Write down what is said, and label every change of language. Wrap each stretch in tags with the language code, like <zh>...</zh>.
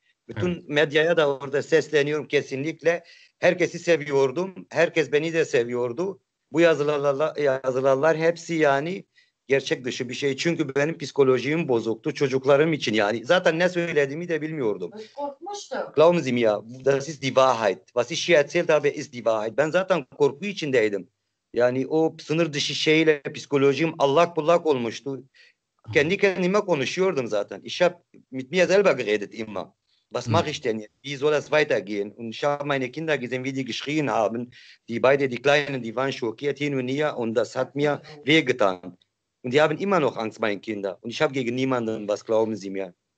<tr>Bütün medyaya da orada sesleniyorum kesinlikle. Herkesi seviyordum. Herkes beni de seviyordu. Bu yazılarlar hepsi yani gerçek dışı bir şey. Çünkü benim psikolojim bozuktu. Çocuklarım için yani. Zaten ne söylediğimi de bilmiyordum. Korkmuştum.</tr> <de>Glauben Sie mir, das ist die Wahrheit. Was ich hier erzählt habe, ist die Wahrheit.</de> <tr>Ben zaten korku içindeydim. Yani o sınır dışı şeyle psikolojim allak bullak olmuştu. Kendi kendime konuşuyordum zaten.</tr> <de>Ich hab mit mir selber geredet immer. Was mache ich denn jetzt? Wie soll das weitergehen? Und ich habe meine Kinder gesehen, wie die geschrien haben. Die beide, die Kleinen, die waren schockiert hin und her. Und das hat mir wehgetan. Und die haben immer noch Angst, meine Kinder. Und ich habe gegen niemanden, was glauben Sie mir?</de>